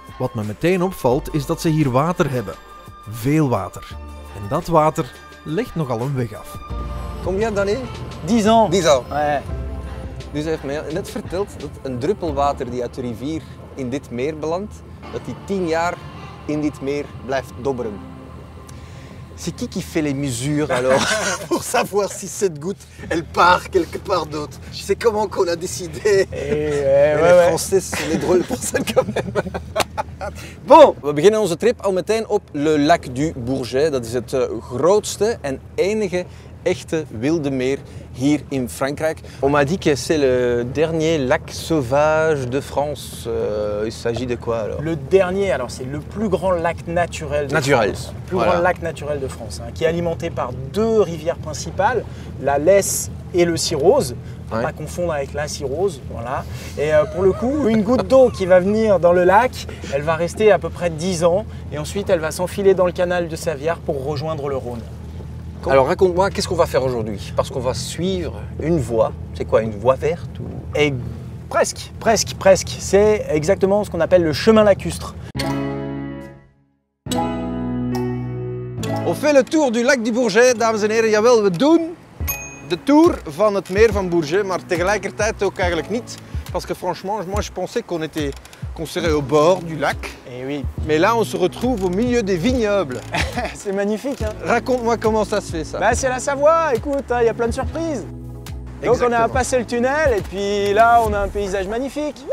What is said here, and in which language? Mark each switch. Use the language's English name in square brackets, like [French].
[Dutch] Wat me meteen opvalt, is dat ze hier water hebben. Veel water. En dat water legt nogal een weg af. [French] Combien d'années? 10 ans. 10 ans. Ouais. [Dutch] Dus hij heeft mij net verteld dat een druppel water die uit de rivier in dit meer belandt, dat die 10 jaar in dit meer blijft dobberen. [French] C'est qui fait les mesures alors pour savoir si cette goutte elle part quelque part d'autre? C'est comment qu'on a décidé? Ouais, les Français sont des drôles personnes quand même. [Dutch] Bon, we beginnen onze trip al meteen op Le Lac du Bourget. Dat is het grootste en enige echte wilde meer hier in Frankrijk. [French] On m'a dit que c'est le dernier lac sauvage de France. Il s'agit de quoi alors? Le dernier, alors c'est le plus grand lac naturel de France. Le plus grand lac naturel de France, hein, qui est alimenté par deux rivières principales, la Lesse et le Cirrose. Ouais. Pas confondre avec la Cirrose, voilà. Et pour le coup, une goutte d'eau qui va venir dans le lac, elle va rester à peu près 10 ans et ensuite elle va s'enfiler dans le canal de Savière pour rejoindre le Rhône. Alors raconte-moi, qu'est-ce qu'on va faire aujourd'hui? Parce qu'on va suivre une voie. C'est quoi, une voie verte ou... Et presque, presque, presque. C'est exactement ce qu'on appelle le chemin lacustre. On fait le tour du lac du Bourget, [Dutch] dames en heren. Jawel, we doen de tour van het meer van Bourget, maar tegelijkertijd ook eigenlijk niet. [French] Parce que franchement, moi je pensais qu'on était concentré au bord du lac. Et oui. Mais là, on se retrouve au milieu des vignobles. C'est magnifique, hein. Raconte-moi comment ça se fait, ça. Bah, c'est la Savoie, écoute, il y a plein de surprises. Donc, exactement. On a passé le tunnel et puis là, on a un paysage magnifique.